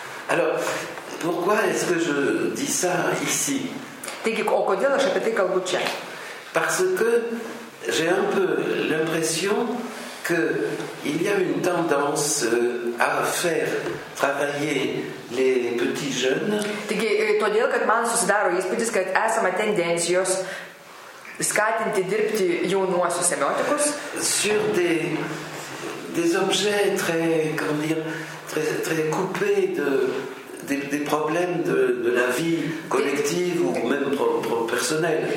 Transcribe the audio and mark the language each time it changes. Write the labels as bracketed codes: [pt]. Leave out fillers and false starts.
[fr] Alors, pourquoi est-ce que je dis ça ici? [lt] Taigi, o kodėl aš apie tai kalbu čia? [fr] Parce que j'ai un peu l'impression que il y a une tendance à faire travailler les petits jeunes. [lt] Taigi, todėl, kad man susidaro įspūdis, kad esama tendencijos skatinti dirbti jaunuosius semiotikus [fr] sur des objets très, comment dire, très coupés des problèmes de la vie collective ou même personnelle.